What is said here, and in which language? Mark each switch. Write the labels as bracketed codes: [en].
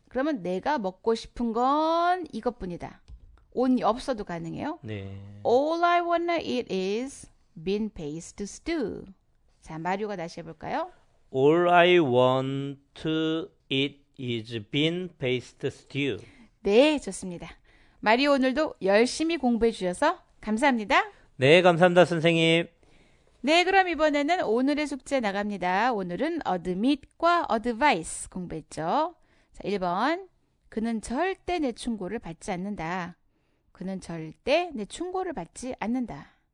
[ko] 그러면 내가 먹고 싶은 건 이것뿐이다. only 없어도 가능해요. 네. [en] All I wanna eat is bean paste stew. [ko] 자, 마리오가 다시 해볼까요? [en] All I want to eat is bean paste stew. [ko] 네, 좋습니다. 마리오 오늘도 열심히 공부해 주셔서 감사합니다. 네, 감사합니다, 선생님. 네, 그럼 이번에는 오늘의 숙제 나갑니다. 오늘은 admit과 advice 공부했죠. 자, 1번. 그는 절대 내 충고를 받지 않는다. 그는 절대 내 충고를 받지 않는다.